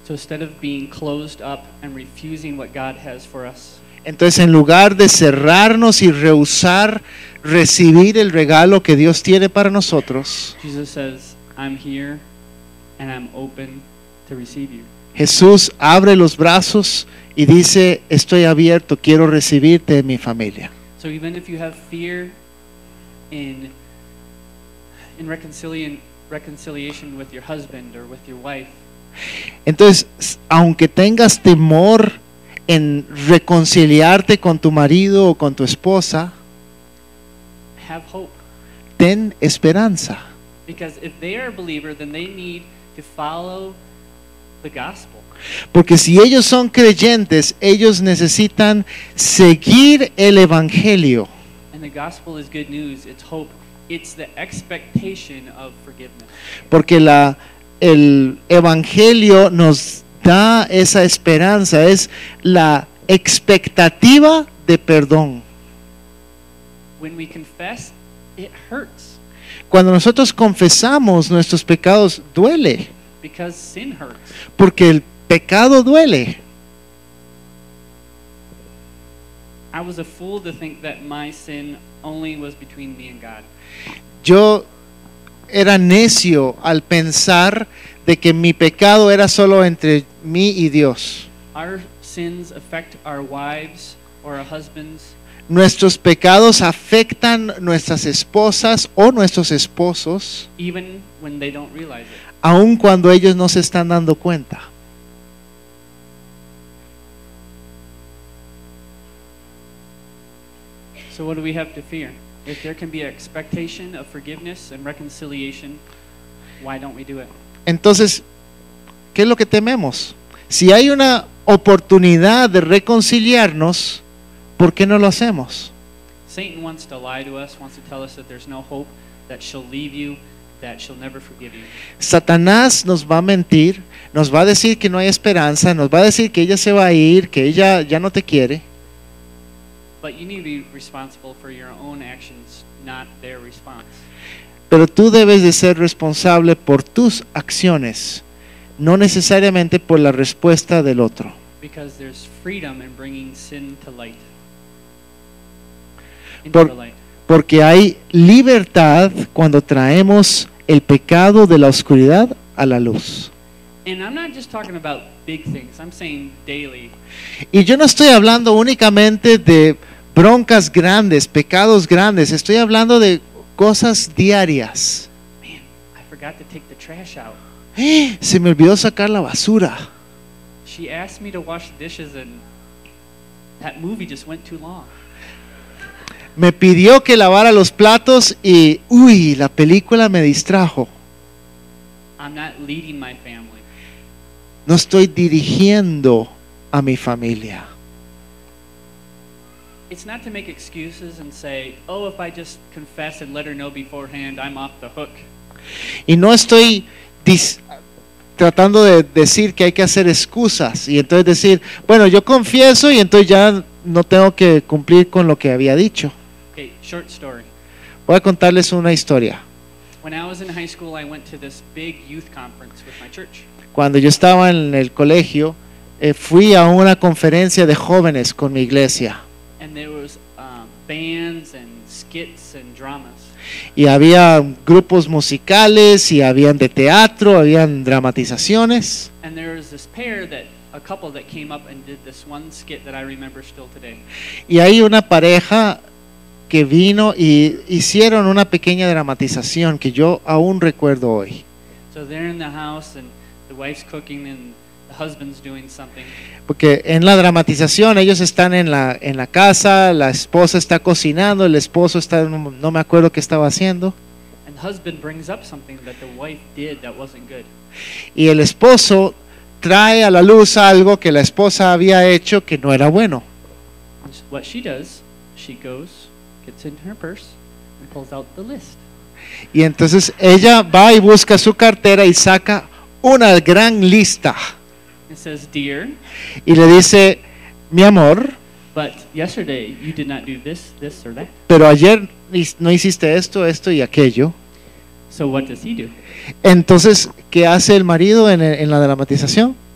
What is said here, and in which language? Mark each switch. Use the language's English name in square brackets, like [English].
[English] So instead of being closed up and refusing what God has for us, [Spanish] entonces en lugar de cerrarnos y rehusar recibir el regalo que Dios tiene para nosotros, [English] Jesus says, I'm here and I'm open to receive you. [Spanish] Jesús abre los brazos y dice, estoy abierto, quiero recibirte en mi familia. [English] So even if you have fear in reconciliation with your husband or with your wife. [Spanish] Entonces, aunque tengas temor en reconciliarte con tu marido o con tu esposa, [English] have hope. [Spanish] Ten esperanza. [English] Because if they are a believer, then they need to follow the gospel. [Spanish] Porque si ellos son creyentes, ellos necesitan seguir el evangelio. [English] And the gospel is good news. It's hope. It's the expectation of forgiveness. [Spanish] Porque el evangelio nos da esa esperanza, es la expectativa de perdón. [English] When we confess, it hurts. [Spanish] Cuando nosotros confesamos nuestros pecados, duele. [English] Because sin hurts. [Spanish] Porque el pecado duele. [English] I was a fool to think that my sin only was between me and God. [Spanish] Yo era necio al pensar de que mi pecado era solo entre mí y Dios. [English] Our sins affect our wives or our husbands. [Spanish] Nuestros pecados afectan nuestras esposas o nuestros esposos. [English] Even when they don't realize it. [Spanish] Aun cuando ellos no se están dando cuenta. [English] So what do we have to fear? If there can be an expectation of forgiveness and reconciliation, why don't we do it? [Spanish] Entonces, ¿qué es lo que tememos? Si hay una oportunidad de reconciliarnos, ¿por qué no lo hacemos? [English] Satan wants to lie to us, wants to tell us that there's no hope, that she'll leave you, that she'll never forgive you. [Spanish] Satanás nos va a mentir, nos va a decir que no hay esperanza, nos va a decir que ella se va a ir, que ella ya no te quiere. [English] But you need to be responsible for your own actions, not their response. [Spanish] Pero tú debes de ser responsable por tus acciones, no necesariamente por la respuesta del otro. [English] Because there's freedom in bringing sin to light. [Spanish] Porque hay libertad cuando traemos el pecado de la oscuridad a la luz. [English] And I'm not just talking about big things. I'm saying daily. [Spanish] Y yo no estoy hablando únicamente de broncas grandes, pecados grandes. Estoy hablando de cosas diarias. [English] Man, I forgot to take the trash out. [Spanish] Se me olvidó sacar la basura. [English] She asked me to wash the dishes and that movie just went too long. [Spanish] Me pidió que lavara los platos y uy, la película me distrajo. [English] I'm not leading my family. [Spanish] No estoy dirigiendo a mi familia. [English] It's not to make excuses and say, "Oh, if I just confess and let her know beforehand, I'm off the hook." [Spanish] Y no estoy tratando de decir que hay que hacer excusas y entonces decir, "Bueno, yo confieso y entonces ya no tengo que cumplir con lo que había dicho." [English] Okay, short story. [Spanish] Voy a contarles una historia. [English] When I was in high school, I went to this big youth conference with my church. [Spanish] Cuando yo estaba en el colegio, fui a una conferencia de jóvenes con mi iglesia. [English] And there was, bands and skits and dramas. [Spanish] Y había grupos musicales, y habían de teatro, habían dramatizaciones. [English] And there was this pair that, a couple that came up and did this one skit that I remember still today. [Spanish] Y hay una pareja que vino y hicieron una pequeña dramatización que yo aún recuerdo hoy. [English] So they're in the house and the wife's cooking and the husband's doing something. [Spanish] Porque en la dramatización ellos están en la casa, la esposa está cocinando, el esposo está, no me acuerdo qué estaba haciendo. [English] And the husband brings up something that the wife did that wasn't good. [Spanish] Y el esposo trae a la luz algo que la esposa había hecho que no era bueno. [English] What she does, she goes, gets in her purse and pulls out the list. [Spanish] Y entonces ella va y busca su cartera y saca una gran lista. [English] It says, "Dear." [Spanish] Y le dice, "Mi amor." [English] But yesterday you did not do this, this or that. [Spanish] Pero ayer no hiciste esto, esto y aquello. [English] So what does he do? [Spanish] Entonces, ¿qué hace el marido en la dramatización?